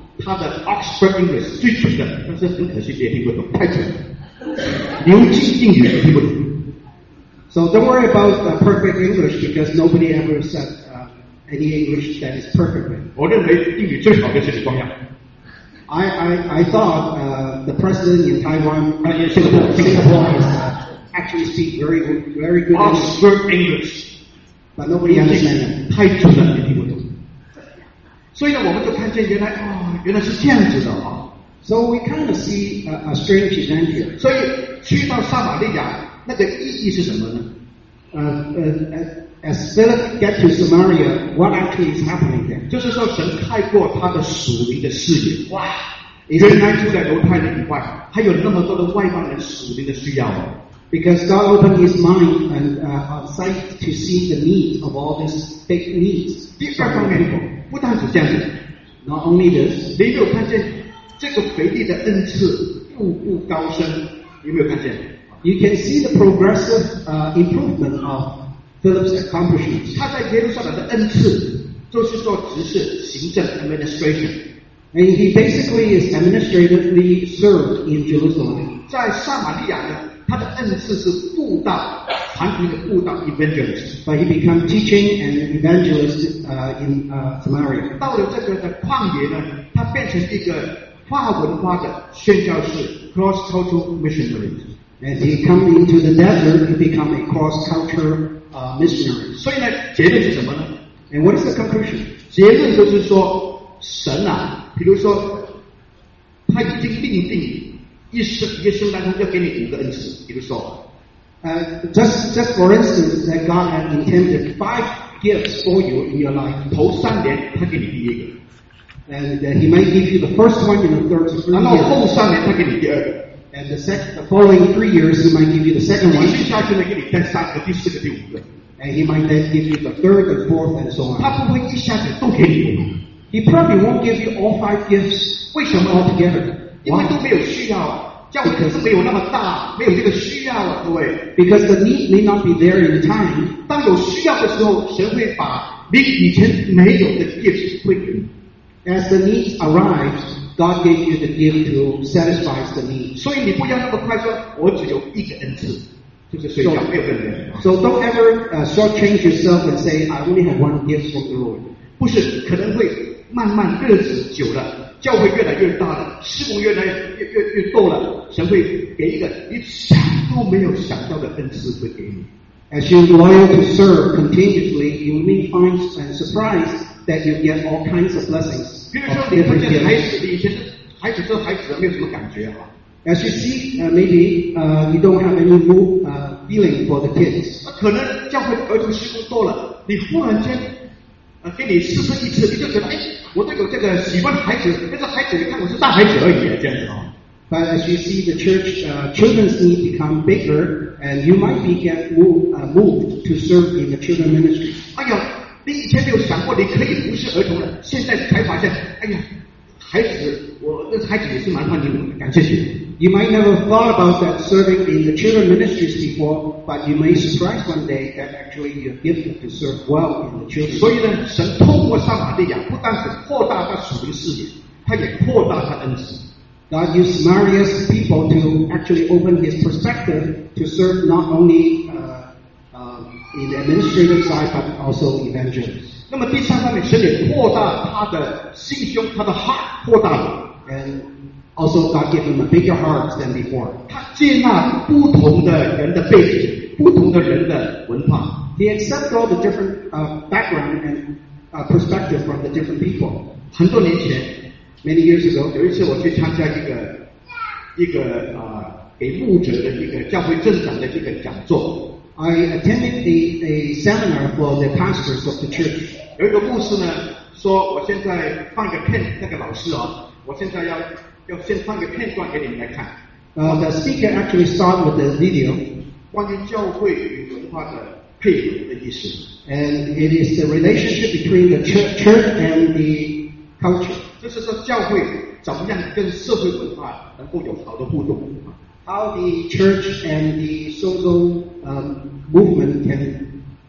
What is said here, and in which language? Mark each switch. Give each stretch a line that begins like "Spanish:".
Chinese: 他的 Oxford English 最准的，但是很可惜也听不懂，太准了。牛津英语也听不懂。
English: So don't worry about the perfect English because nobody ever said any English that is perfect.
Chinese: 我认为英语最好的就是光耀。
English: I thought the president in Taiwan, Singapore is actually speak very, very good Oxford English. But nobody understands.
Chinese: 太准了，也听不懂。所以呢，我们就看见原来原来是这样子的啊
English: ！So we kind of see a strange event here.
Chinese: 所以去到撒玛利亚那个意义是什么呢？
English: As Philip get to Samaria, what actually is happening there?
Chinese: 就是说神开过他的属灵的视野。哇！原来住在犹太人以外，还有那么多的外邦人属灵的需要。
English: Because God opened His mind and sight to see the needs of all these big needs.
Chinese: 第二方面说，不单是这样子。
English: Not only this,
Chinese: 你有没有看见这个腓力的恩赐步步高升？有没有看见
English: ？You can see the progressive improvement of Philip's accomplishments.
Chinese: 他在耶路撒冷的恩赐就是说执事行政 administration,
English: and he basically is administratively served in Jerusalem.
Chinese: 在撒玛利亚呢，他的恩赐是布道，传福音的布道 evangelist,
English: but he became teaching and evangelist in Samaria.
Chinese: 到了这个的旷野呢，他变成一个跨文化的宣教士
English: cross cultural missionary. As he come into the desert, he become a cross cultural missionary.
Chinese: 所以呢，结论是什么呢？
English: And what is the conclusion?
Chinese: 结论就是说，神啊，比如说他已经命定。一生当中要给你五个恩赐，比如说
English: ，just for instance that God has intended 5 gifts for you in your life.
Chinese: 头三年他给你第一个
English: ，and He might give you the first one in the third year.
Chinese: 然后后三年他给你第二个
English: ，and the following 3 years He might give you the second one.
Chinese: 接下去呢，给你第三个、第四个、第五个
English: ，and He might then give you the third, the fourth, and so on.
Chinese: 他不会一下子都给你五个
English: ，He probably won't give you all 5 gifts.
Chinese: 为什么
English: all together?
Chinese: 因为都没有需要，教会可是没有那么大，没有这个需要了，各位。
English: Because the need may not be there in time.
Chinese: 当有需要的时候，神会把你以前没有的 gift 会给你。
English: As the need arrives, God gave you the gift to satisfy the need.
Chinese: 所以你不要那么快说，我只有一个恩赐，就是睡觉，没有更多。
English: So don't ever shortchange yourself and say I only have one gift from the Lord.
Chinese: 不是，可能会慢慢日子久了。教会越来越大了，事工越来越多了，神会给一个你想都没有想到的恩赐会给你。
English: As you loyal to serve continuously, you may find and surprise that you get all kinds of blessings.
Chinese: 比如说，你看见孩子，你以前孩子做孩子没有什么感觉啊。
English: As you see, maybe you don't have any feeling for the kids.
Chinese: 可能教会儿童事工多了，你忽然间。给你试试一次，你就觉得哎，我都有这个喜欢孩子，但是孩子你看我是大孩子而已，这样子啊。
English: But as you see the church, children's need become bigger, and you might be get moved to serve in the children ministry.
Chinese: 哎呀，你以前没有想过你可以服侍儿童了，现在才发现，哎呀，孩子，我那孩子也是蛮欢迎我的，感谢主。
English: You might never thought about that serving in the children ministries before, but you may surprise one day that actually you're gifted to serve well in the children.
Chinese: 所以呢，神透过撒玛利亚不单是扩大他属灵视野，他也扩大他恩赐。
English: God used Samaria's people to actually open His perspective to serve not only in the administrative side but also evangelists.
Chinese: 那么第三方面，神也扩大他的心胸，他的 heart 扩大了。
English: And also God gave him a bigger heart than before.
Chinese: 他接纳不同的人的背景，不同的人的文化。
English: He accepts all the different background and perspective from the different people.
Chinese: 很多年前
English: ，many years ago，
Chinese: 有一次我去参加一个一个给牧者的一个教会政长的一个讲座。
English: I attended a seminar for the pastors of the church.
Chinese: 有一个牧师呢说，我现在放个片，那个老师哦，我现在要先放个片段给你们来看。
English: The speaker actually started with the video.
Chinese: 关于教会与文化的配合的意思。
English: And it is the relationship between the church and the culture.
Chinese: 就是说教会怎么样跟社会文化能够有好的互动。
English: How the church and the social movement can